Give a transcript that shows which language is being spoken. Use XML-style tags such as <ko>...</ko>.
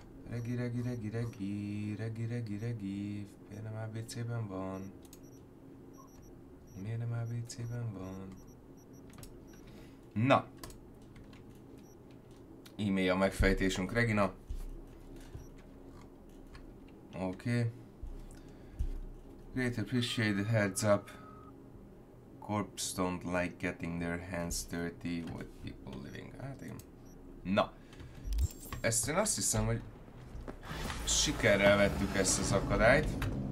<hu>Regi, regi, regi, regi, regi, regi, regi, miért nem ABC-ben van? Miért nem ABC-ben van? Na! E-mail a megfejtésünk, Regina. Oké.</hu> <en>Great, appreciate the heads up. Corps don't like getting their hands dirty with people living.</en> <hu>Hát igen. Na! Ezt én azt hiszem, hogy sikerrel vettük ezt az akadályt.</hu>